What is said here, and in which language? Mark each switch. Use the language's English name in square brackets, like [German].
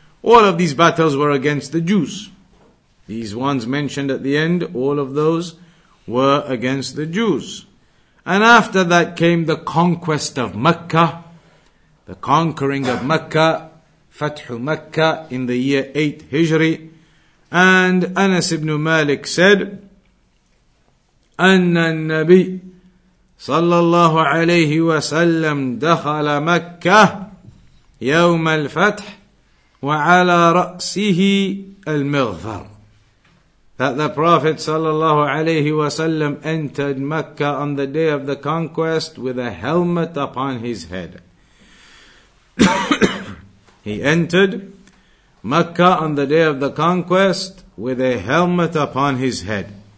[English] All of these battles were against the Jews. These ones mentioned at the end, all of those were against the Jews. And after that came the conquest of Mecca, the conquering of Mecca, Fathu Mecca in the year 8 Hijri. And Anas ibn Malik said, [Arabic] أن النبي صلى الله عليه وسلم دخل مكة يوم الفتح وعلى رأسه المغفر. [English] That the Prophet sallallahu alayhi wa sallam entered Mecca on the day of the conquest with a helmet upon his head. He entered Mecca on the day of the conquest with a helmet upon his head.